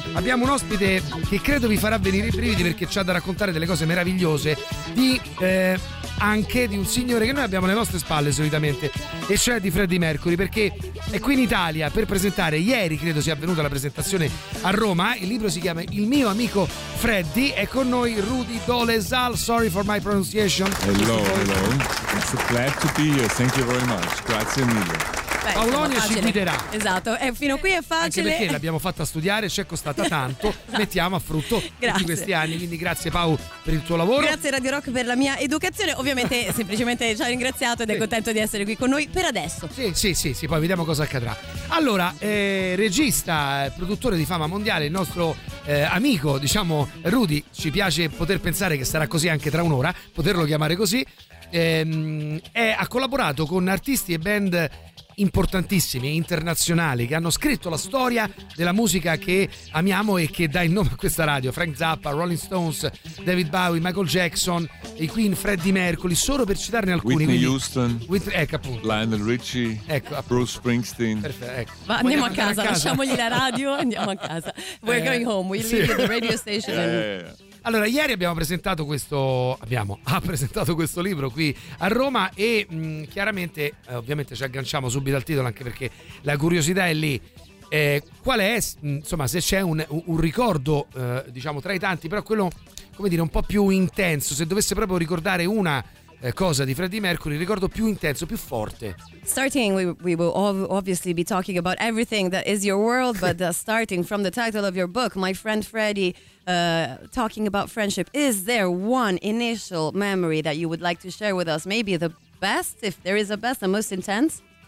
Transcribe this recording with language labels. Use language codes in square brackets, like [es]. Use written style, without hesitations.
[it] Abbiamo un ospite che credo vi farà venire i brividi perché ci ha da raccontare delle cose meravigliose anche di un signore che noi abbiamo alle nostre spalle solitamente, e cioè di Freddie Mercury, perché è qui in Italia per presentare, ieri credo sia avvenuta la presentazione a Roma, il libro si chiama Il mio amico Freddie, è con noi Rudy Dolezal, [en] sorry for my pronunciation. Hello, hello, it's a pleasure to be here, thank you very much, [it] grazie mille. Paolonia ci guiderà. Esatto, e fino qui è facile. Anche perché l'abbiamo fatta studiare, ci è costata tanto, esatto. Mettiamo a frutto tutti questi anni, quindi grazie Paolo per il tuo lavoro. Grazie Radio Rock per la mia educazione, ovviamente semplicemente ci ha ringraziato ed è contento di essere qui con noi per adesso. Sì, poi vediamo cosa accadrà. Allora, regista, produttore di fama mondiale, il nostro amico, diciamo Rudy, ci piace poter pensare che sarà così anche tra un'ora, poterlo chiamare così, ha collaborato con artisti e band importantissimi, internazionali, che hanno scritto la storia della musica che amiamo e che dà il nome a questa radio. Frank Zappa, Rolling Stones, David Bowie, Michael Jackson, i Queen, Freddie Mercury, solo per citarne alcuni. Whitney Houston, Lionel Richie, Bruce Springsteen. Perfetto, ecco. Ma andiamo a casa, lasciamogli la radio, andiamo a casa. [en] We're going home, we leave the radio station. [it] Allora, ieri ha presentato questo libro qui a Roma e chiaramente, ovviamente ci agganciamo subito al titolo anche perché la curiosità è lì. Qual è, insomma, se c'è un ricordo, diciamo, tra i tanti, però quello, come dire, un po' più intenso, se dovesse proprio ricordare una cosa di Freddie Mercury, il ricordo più intenso, più forte. [en] Starting, we will obviously be talking about everything that is your world, but starting from the title of your book, My Friend Freddie, talking about friendship, is there one initial memory that you would like to share with us? Maybe the best, if there is a best, the most intense?